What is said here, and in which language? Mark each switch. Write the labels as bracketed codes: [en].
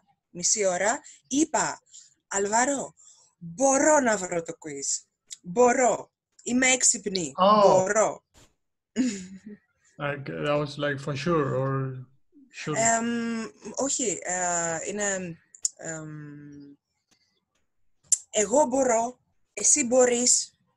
[el] Εγώ είπα πριν μισή ώρα, Αλβάρο, μπορώ να βρω το quiz. Μπορώ. Είμαι έξυπνη. [en] Oh. [el] Μπορώ. [en] Like, that was like for sure or sure. [el] Όχι, είναι εγώ μπορώ, εσύ μπορείς.